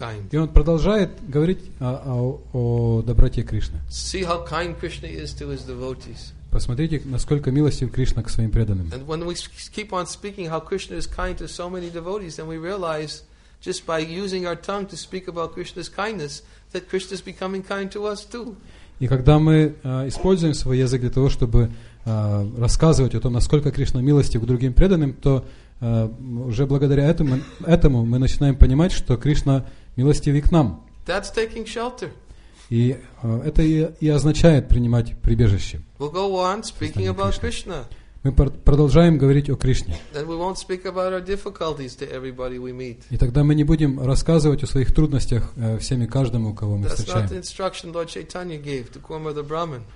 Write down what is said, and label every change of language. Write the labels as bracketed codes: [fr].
[ru] И он продолжает говорить о доброте Кришны. [en] See how kind Krishna is to his devotees. [ru] Посмотрите, насколько милостив Кришна к своим преданным. [en] And when we keep on speaking how Krishna is kind to so many devotees, then we realize just by using our tongue to speak about Krishna's kindness, that Krishna is becoming kind to us too. [ru] И когда мы используем свой язык для того, чтобы рассказывать о том, насколько Кришна милостив к другим преданным, то уже благодаря этому мы начинаем понимать, что Кришна милостив и к нам. [en] That's taking shelter. [ru] И это и означает принимать прибежище. [en] We'll go on speaking about Krishna. [ru] Мы Мы продолжаем говорить о Кришне. [en] And we won't speak about our difficulties to everybody we meet. [ru] И тогда мы не будем рассказывать о своих трудностях всем и каждому, кого мы встречаем. [en] That's not the instruction Lord Chaitanya gave to Kumar the Brahmin.